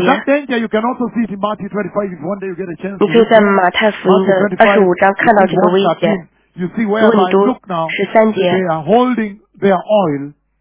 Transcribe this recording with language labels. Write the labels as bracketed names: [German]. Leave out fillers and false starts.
[English] And that danger you can also see it in Matthew 25 if one day you get a chance. [Chinese] 你可以在马太福音的25章看到这个危险。 [English] You see where I look now. [Chinese] 13节。 [English] They are holding their oil.